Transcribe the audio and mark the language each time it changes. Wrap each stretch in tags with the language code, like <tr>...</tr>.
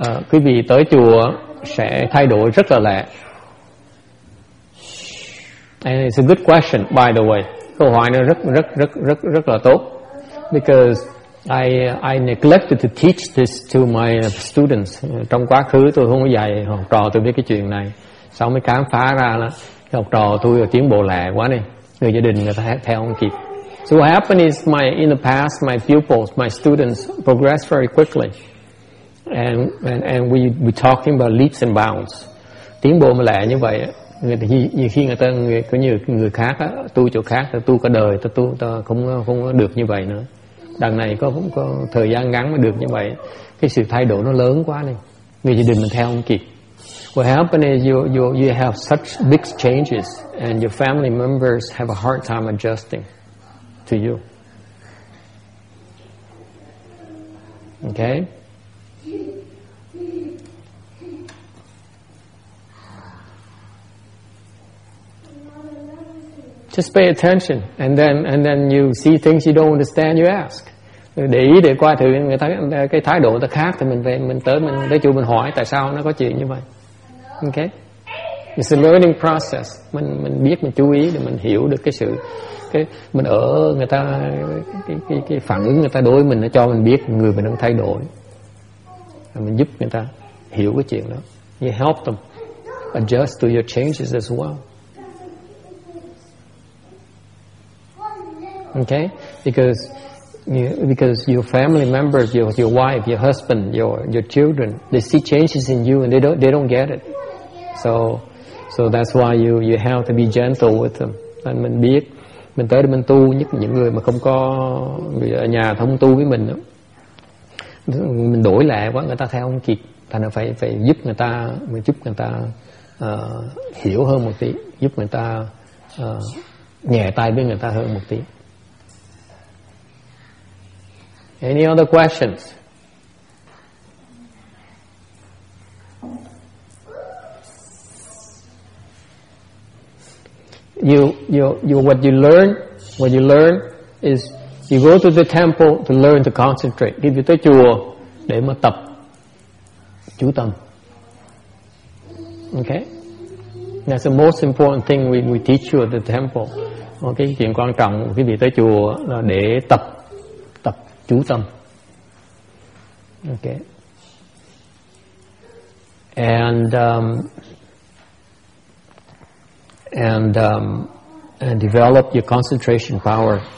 <vi>Quý vị tới chùa sẽ thay đổi rất là lẹ.</vi> <en>And it's a good question, by the way.</en> <vi>Câu hỏi này rất là tốt.</vi> <en>Because I neglected to teach this to my students.</en> <vi>Trong quá khứ tôi không có dạy học trò tôi biết cái chuyện này. Sau mới khám phá ra là học trò tôi tiến bộ lẹ quá này. Người gia đình người ta theo không kịp.</vi> <en>So what happened is in the past my pupils, my students progressed very quickly. And we talking about leaps and bounds.</en> <vi>Tiến bộ lẹ như vậy khi người ta có như người khác tu chỗ khác tu cả đời tu không được như vậy nữa. Đằng này có thời gian ngắn mà được như vậy. Cái sự thay đổi nó lớn quá này. Người gia đình mình theo không kịp.</vi> <en>What happened is you have such big changes and your family members have a hard time adjusting to you. Okay? Just pay attention and then you see things you don't understand, you ask.</en> <vi>Để ý để qua thử người ta cái thái độ người ta khác thì mình tới chỗ mình hỏi tại sao nó có chuyện như vậy. Okay?</vi> <en>It's a learning process.</en> <vi>Mình biết mình chú ý để mình hiểu được cái sự cái mình ở người ta cái phản ứng người ta đối với mình nó cho mình biết người mình đang thay đổi. Và mình giúp người ta hiểu cái chuyện đó.</vi> <en>You help them adjust to your changes as well. Okay? Because your family members, your wife, your husband, your children, they see changes in you and they don't get it. So that's why you have to be gentle with them.</en> <vi>And mình biết mình tới đây mình tu nhất những người mà không có người ở nhà không tu với mình đó. Mình đổi lẹ quá người ta theo không kịp, thành ra phải giúp người ta, mình giúp người ta hiểu hơn một tí, giúp người ta nhẹ tay với người ta hơn một tí.</vi> <en>Any other questions? What you learn is you go to the temple to learn to concentrate.</en> <vi>Đi tới chùa để mà tập chú tâm.</vi> <en>Okay? That's the most important thing we teach you at the temple.</en> <vi>Okay, chuyện quan trọng khi đi tới chùa là để tập chú tâm. Okay.</vi> <en>And develop your concentration power.</en>